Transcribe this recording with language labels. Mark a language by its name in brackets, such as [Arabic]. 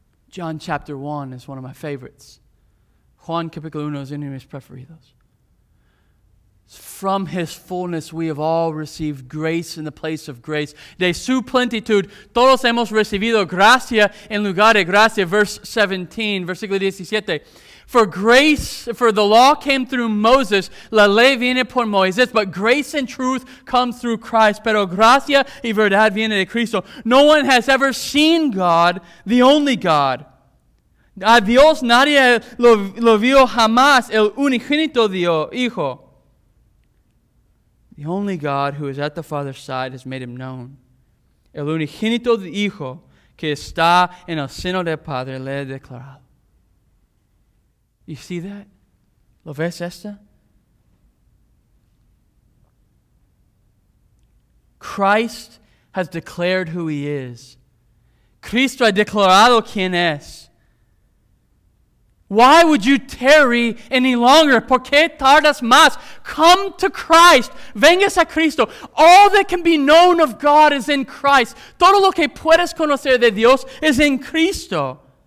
[English] John chapter 1 is one of my favorites. [Spanish] Juan capítulo 1 [English] is [Spanish] uno de mis preferidos. [English] From his fullness we have all received grace in the place of grace. [Spanish] De su plenitud, todos hemos recibido gracia en lugar de gracia. [English] Verse 17, [Spanish] versículo 17. [English] For grace, for the law came through Moses, [Spanish] la ley viene por Moisés, [English] but grace and truth come through Christ. [Spanish] Pero gracia y verdad viene de Cristo. [English] No one has ever seen God, the only God. [Spanish] A Dios nadie lo vio jamás, el unigénito Dios, Hijo. [English] The only God who is at the Father's side has made him known. [Spanish] El unigénito de Hijo que está en el seno del Padre le ha declarado. [English] You see that? [Spanish] ¿Lo ves esta? [English] Christ has declared who he is. [Spanish] Cristo ha declarado quién es. [English] Why would you tarry any longer? [Spanish] ¿Por qué tardas más? [English] Come to Christ. [Spanish] Vengas a Cristo. [English] All that can be known of God is in Christ. [Spanish] Todo lo que puedes conocer de Dios es en Cristo.